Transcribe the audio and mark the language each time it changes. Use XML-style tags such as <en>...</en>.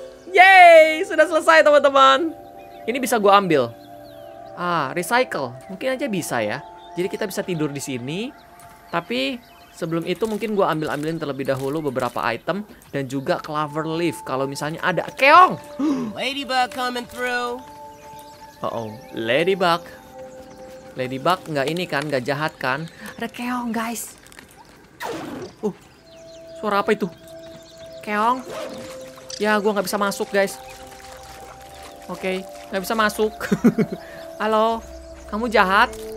<id>Yeay, sudah selesai, teman-teman. Ini bisa gua ambil. Ah, recycle. Mungkin aja bisa ya. Jadi kita bisa tidur di sini. Tapi sebelum itu mungkin gue ambil-ambilin terlebih dahulu beberapa item dan juga clover leaf kalau misalnya ada keong.</id> <en>Ladybug coming through. Ladybug.</en> <id>Ladybug nggak ini kan, nggak jahat kan? Ada keong, guys. Suara apa itu? Keong? Ya gue nggak bisa masuk, guys. Oke, nggak bisa masuk. Halo, kamu jahat?</id>